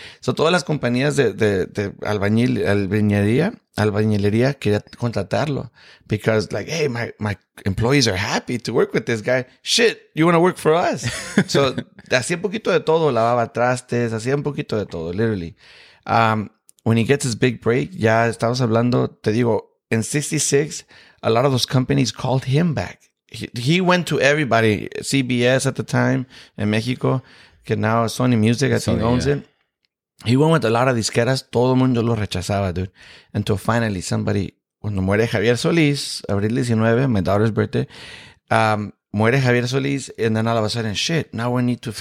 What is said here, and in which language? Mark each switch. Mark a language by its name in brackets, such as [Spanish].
[Spanish] So todas las compañías de albañilería quería contratarlo. [English] Because like, hey, my employees are happy to work with this guy. Shit, you want to work for us? [Spanish] So hacía un poquito de todo, lavaba trastes, hacía un poquito de todo, [English] literally. When he gets his big break, [Spanish] ya estamos hablando, te digo, [English] in 66, a lot of those companies called him back. He went to everybody, CBS at the time, in Mexico, que now Sony Music, I think, owns it. He went with a lot of disqueras, [Spanish] todo el mundo lo rechazaba, [English] dude. Until finally, somebody, [Spanish] cuando muere Javier Solís, abril 19, [English] my daughter's birthday, [Spanish] muere Javier Solís, [English] and then all of a sudden, shit, now we need to